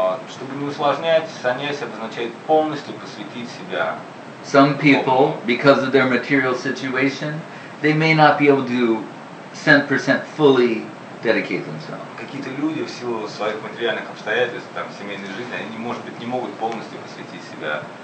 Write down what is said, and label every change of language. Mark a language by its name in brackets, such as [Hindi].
[Russian] Чтобы не усложнять, саньяси означает полностью посвятить себя. [English] Some people, because of their material situation, they may not be able to 100% fully dedicate themselves. [Russian] Какие-то люди в силу своих материальных обстоятельств, там семейной жизни, они может быть не могут полностью посвятить себя.